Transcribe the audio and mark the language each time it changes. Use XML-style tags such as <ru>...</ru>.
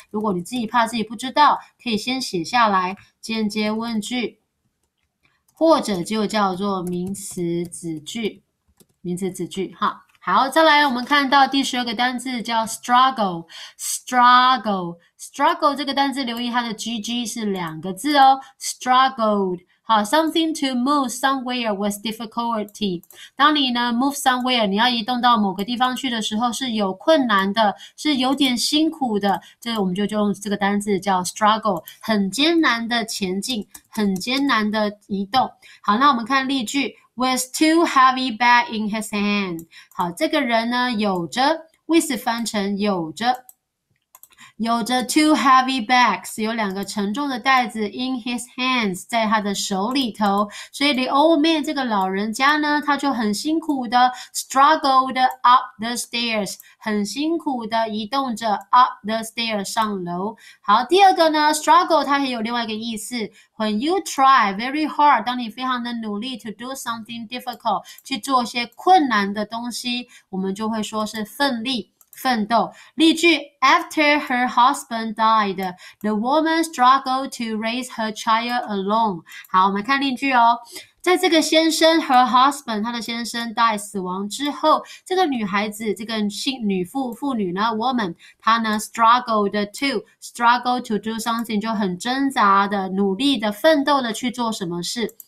<zh>如果你自己怕自己不知道，可以先写下来间接问句，或者就叫做名词子句，名词子句哈。好，再来，我们看到第十二个单字叫 struggle，struggle 这个单字留意它的 gg 是两个字哦，struggled。好，</zh> <en>something to move somewhere with difficulty。</en> <zh>当你呢</zh> <en>move somewhere，</en> <zh>你要移动到某个地方去的时候，是有困难的，是有点辛苦的。这我们就用这个单字叫 struggle，很艰难的前进，很艰难的移动。好，那我们看例句。</zh> <en>With two heavy bags in his hand，</en> <zh>好，这个人呢，有着，with 翻成有着</zh> <en>two heavy bags，</en> <zh>有两个沉重的袋子</zh> <en>in his hands，</en> <zh>在他的手里头。所以</zh> <en>the old man</en> <zh>这个老人家呢，他就很辛苦的</zh> <en>struggled up the stairs，</en> <zh>很辛苦的移动着</zh> <en>up the stairs</en> <zh>上楼。好，第二个呢，struggle 它也有另外一个意思。</zh> <en>When you try very hard，</en> <zh>当你非常的努力</zh> <en>to do something difficult，</en> <zh>去做些困难的东西，我们就会说是奋力奋斗。例句：</zh> <en>After her husband died，the woman struggled to raise her child alone。</en> <zh>好，我们看例句哦。在这个先生，</zh> <en>her husband，</en> <zh>他的先生 die 死亡之后，这个女孩子，这个妇女呢，woman，她呢，</zh> <en>struggled to do something，</en> <zh>就很挣扎的、努力的、奋斗的去做什么事。</zh>